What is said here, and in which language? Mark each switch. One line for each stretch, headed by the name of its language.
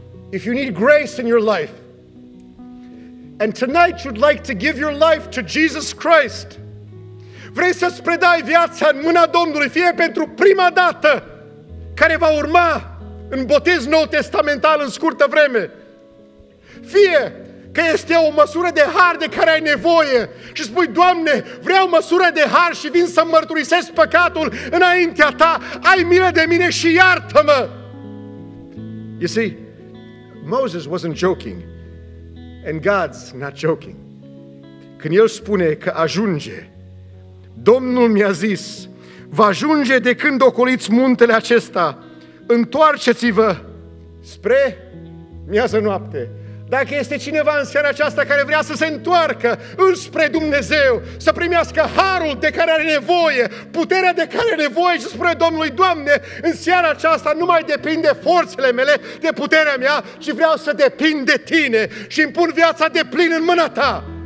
English: If you need grace in your life and tonight you'd like to give your life to Jesus Christ,
Romanian: vrei să-ți predai viața în mâna Domnului, fie pentru prima dată care va urma în botez nou testamental în scurtă vreme, fie că este o măsură de har de care ai nevoie și spui: Doamne, vreau măsură de har și vin să mărturisesc păcatul înaintea ta, ai milă de mine și iartă-mă.
English: You see, Moses wasn't joking and God's not joking.
Romanian: Când el spune că ajunge, Domnul mi-a zis: va ajunge de când ocoliți muntele acesta, întoarceți-vă spre miază noapte. Dacă este cineva în seara aceasta care vrea să se întoarcă înspre Dumnezeu, să primească harul de care are nevoie, puterea de care are nevoie și spune Domnului: Doamne, în seara aceasta nu mai depind de forțele mele, de puterea mea, ci vreau să depind de Tine și îmi pun viața de plin în mâna Ta.